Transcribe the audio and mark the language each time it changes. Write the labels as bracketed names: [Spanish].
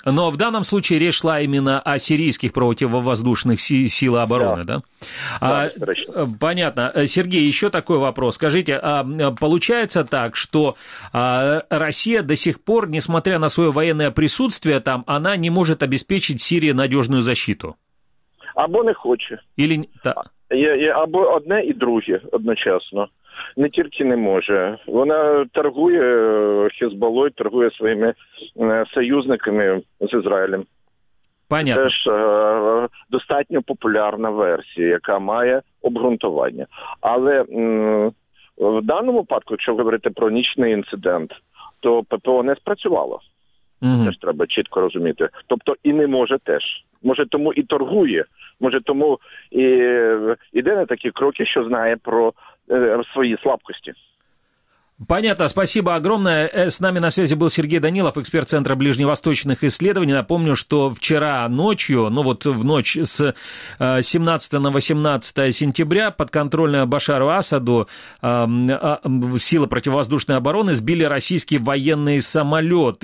[Russian] Но в данном случае речь шла именно о [Ukrainian] сирійських противовоздушних сил оборони, [Russian] да? Да, точно. Понятно. Сергей, еще такой вопрос. Скажите, получается так, что Россия до сих пор, несмотря на свое военное присутствие там, она не может обеспечить Сирии надежную защиту? [Ukrainian] Або не хоче. [Russian] Или... Да. [Ukrainian] Або одне і друге одночасно. Не тільки не може. Вона торгує Хезболою, торгує своїми союзниками з Ізраїлем. [Russian] Понятно. [Ukrainian] Це ж достатньо популярна версія, яка має обґрунтування. Але в даному випадку, якщо говорити про нічний інцидент, то ППО не спрацювало. Угу. Це ж треба чітко розуміти. Тобто і не може теж. Може, тому і торгує. Може, тому і йде на такі кроки, що знає про свої слабкості. [Russian] Понятно, спасибо огромное. С нами на связи был Сергей Данилов, эксперт Центра ближневосточных исследований. Напомню, что вчера ночью, ну вот в ночь с 17 на 18 сентября, подконтрольная Башару Асаду силы противовоздушной обороны сбили российский военный самолет.